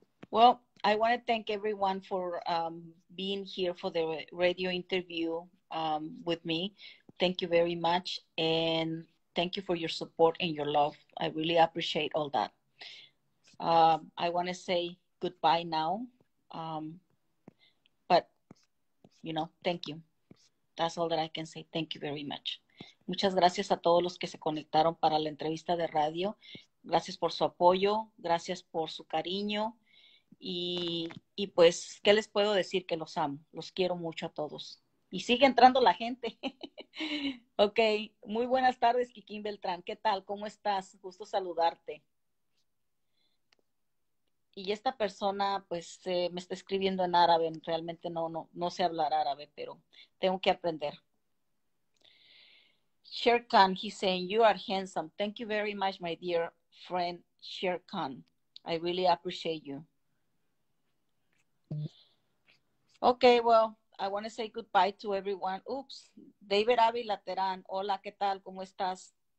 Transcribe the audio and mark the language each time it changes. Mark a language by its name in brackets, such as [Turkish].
[English] Well, I want to thank everyone for being here for the radio interview with me. Thank you very much, and thank you for your support and your love. I really appreciate all that. I want to say goodbye now, thank you. That's all that I can say. Thank you very much. [Spanish] Muchas gracias a todos los que se conectaron para la entrevista de radio. Gracias por su apoyo, gracias por su cariño. Y pues, ¿qué les puedo decir? Que los amo, los quiero mucho a todos. Y sigue entrando la gente. Ok, muy buenas tardes, Kikín Beltrán. ¿Qué tal? ¿Cómo estás? Gusto saludarte. Y esta persona, pues, me está escribiendo en árabe. Realmente no sé hablar árabe, pero tengo que aprender. [English] Sher Khan, he's saying, you are handsome. Thank you very much, my dear friend, Sher Khan. I really appreciate you. Okay, well, I want to say goodbye to everyone. Oops, David Ávila Terán. [Spanish] Hola, ¿qué tal? ¿Cómo estás?